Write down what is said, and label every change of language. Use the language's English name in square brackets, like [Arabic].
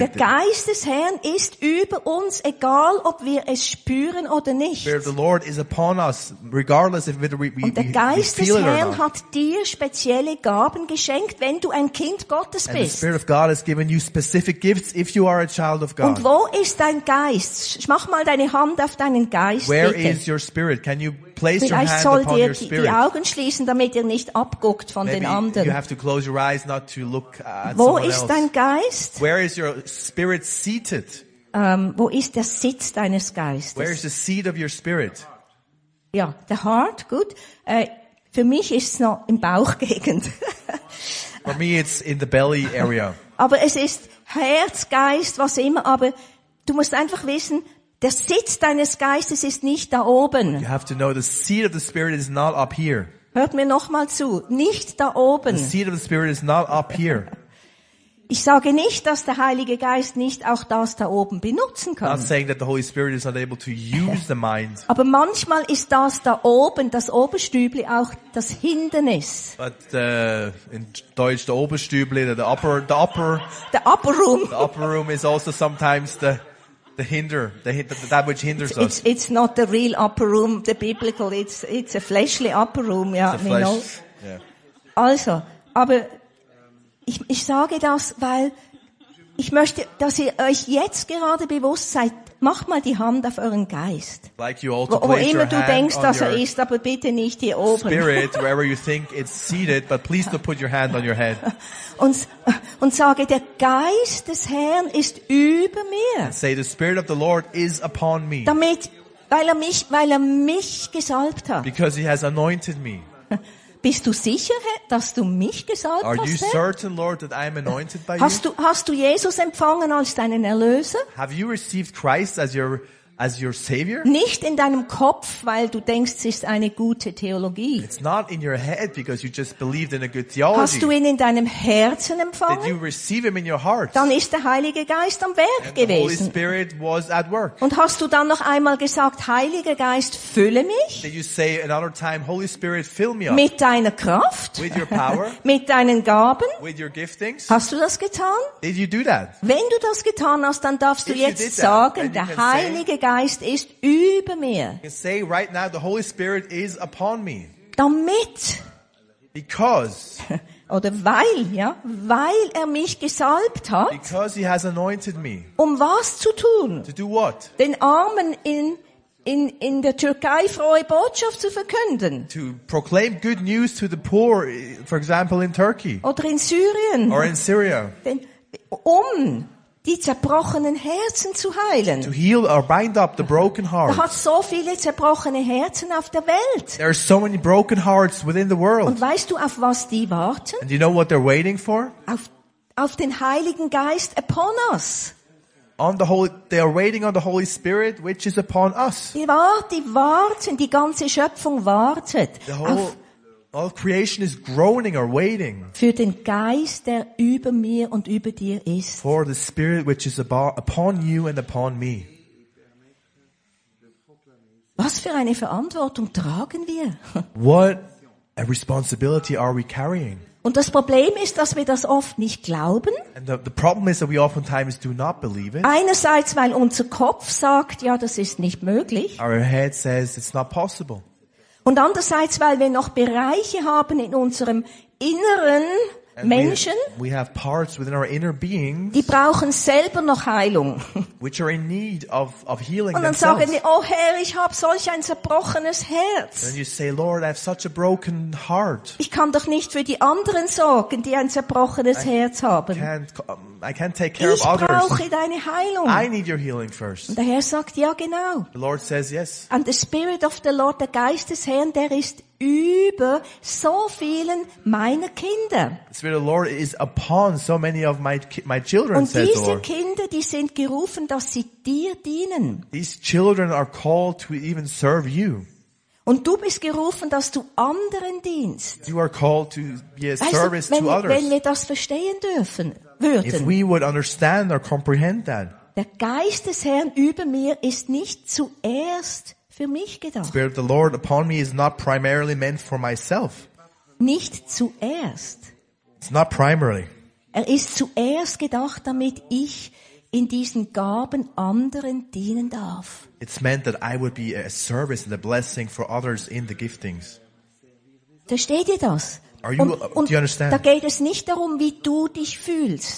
[German] Der Geist des Herrn ist über uns, egal ob wir es spüren oder nicht. [English] The Spirit of the Lord is upon us, regardless if we feel it or not. [German] Der Geist des Herrn hat dir spezielle Gaben geschenkt, wenn du ein Kind Gottes bist. [English] And the Spirit of God has given you specific gifts if you are a child of God. [German] Und wo ist dein Geist? Mach mal deine Hand auf deinen Geist. [English] Where is your spirit? Can you place your hand upon your spirit? [German] Vielleicht sollt ihr die Augen schließen, damit ihr nicht abguckt von den anderen. [English] You have to close your eyes not to look at someone else. [German] Wo ist dein Geist? [English] Where is your spirit seated? [German] Wo ist der Sitz deines Geistes? [English] Where is the seat of your spirit? [German] Ja, [English] the heart, [German] gut. Für mich ist es noch im Bauchgegend. [English] For me, it's in the belly area. [German] Aber es ist Herz, Geist, was immer. Aber du musst einfach wissen, der Sitz deines Geistes ist nicht da oben. [English] You have to know the seat of the Spirit is not up here. [German] Hört mir nochmal zu, nicht da oben. [English] The seat of the Spirit is not up here. [German] Ich sage nicht, dass der Heilige Geist nicht auch das da oben benutzen kann. [English] Not saying that the Holy Spirit is not able to use the mind. [German] Aber manchmal ist das da oben, das Oberstübli, auch das Hindernis. [English] But in Deutsch, the Oberstübli, the upper room. The upper room is also sometimes the hinder, that which hinders us. It's not the real upper room, the biblical. It's a fleshly upper room. Yeah, it's a flesh, know. Yeah. [German] Also, aber Ich sage das, weil ich möchte, dass ihr euch jetzt gerade bewusst seid, macht mal die Hand auf euren Geist. [English] Like you all to [German] wo immer du denkst, dass er ist, aber bitte nicht hier oben. [English] Spirit, wherever you think it's seated, but please don't put your hand on your head. [German] Und sage, der Geist des Herrn ist über mir. [English] And say, the Spirit of the Lord is upon me. [German] Damit, weil er mich gesalbt hat. [English] Because he has anointed me. [German] Bist du sicher, dass du mich gesalbt hast? [English] Are you certain, Lord, that I am anointed by you? [German] Hast du Jesus empfangen als deinen Erlöser? [English] Have you received Christ as your Savior? [German] Nicht in deinem Kopf, weil du denkst, es ist eine gute Theologie. [English] It's not in your head because you just believed in a good theology. [German] Hast du ihn in deinem Herzen empfangen? [English] Did you receive him in your heart? [German] Dann ist der Heilige Geist am Werk gewesen. [English] The Holy Spirit was at work. [German] Und hast du dann noch einmal gesagt, Heiliger Geist, fülle mich? [English] Did you say another time, Holy Spirit, fill me up? [German] Mit deiner Kraft? [English] With your power? [German] Mit deinen Gaben? [English] With your giftings? [German] Hast du das getan? [English] Did you do that? [German] Wenn du das getan hast, dann darfst du jetzt sagen, der Heilige Geist ist über mir. [English] You can say right now, the Holy Spirit is upon me. [German] Damit. [English] Because. [German] Oder weil, ja. Weil er mich gesalbt hat. [English] Because he has anointed me. [German] Um was zu tun? [English] To do what? [German] Den Armen in der Türkei frohe Botschaft zu verkünden. [English] To proclaim good news to the poor, for example, in Turkey. [German] Oder in Syrien. [English] Or in Syria. [German] Denn um die zerbrochenen Herzen zu heilen. [English] To heal or bind up the broken heart. [German] Da hat so viele zerbrochene Herzen auf der Welt. [English] There are so many broken hearts within the world. [German] Und weißt du, auf was die warten? [English] And you know what they're waiting for? [German] Auf den Heiligen Geist [English] upon us. They are waiting on the Holy Spirit, which is upon us. [German] Die warten, die ganze Schöpfung wartet. [English] All creation is groaning or waiting. [German] Für den Geist, der über mir und über dir ist. [English] For the Spirit which is upon you and upon me. [German] Was für eine Verantwortung tragen wir? [English] What a responsibility are we carrying? [German] Und das Problem ist, dass wir das oft nicht glauben. [English] And the problem is that we oftentimes do not believe it. [German] Einerseits, weil unser Kopf sagt, ja, das ist nicht möglich. [English] Our head says it's not possible. [German] Und andererseits, weil wir noch Bereiche haben in unserem inneren Menschen, [English] we have parts within our inner beings, [German] die brauchen selber noch Heilung. [English] Which are in need of healing [German] und dann [English] themselves. [German] Sagen wir, oh Herr, ich habe solch ein zerbrochenes Herz. [English] And you say, Lord, I have such a broken heart. [German] Ich kann doch nicht für die anderen sorgen, die ein zerbrochenes Herz haben. [English] I can't take care [German] ich [English] of others. [German] Brauche deine Heilung. [English] I need your healing first. [German] Und der Herr sagt, ja, genau. [English] The Lord says, yes. And the Spirit of the Lord, [German] der Geist des Herrn, der ist über so vielen meiner Kinder. [English] The Spirit of the Lord is upon so many of my children, [German] und [English] says the Lord. [German] Und diese Kinder, die sind gerufen, dass sie dir dienen. [English] These children are called to even serve you. [German] Und du bist gerufen, dass du anderen dienst. [English] You are called to be a [German] weißt [English] service [German] wenn, [English] to others. [German] Wenn wir das verstehen dürfen, würden. [English] If we would understand or comprehend that. [German] Der Geist des Herrn über mir ist nicht zuerst für mich gedacht. [English] The Spirit of the Lord upon me is not primarily meant for myself. [German] Nicht zuerst. [English] It's not primarily. [German] Er ist zuerst gedacht, damit ich in diesen Gaben anderen dienen darf. [English] It's meant that I would be a service and a blessing for others in the giftings. [German] Versteht ihr das? [English] Do you understand? [German] Da geht es nicht darum, wie du dich fühlst.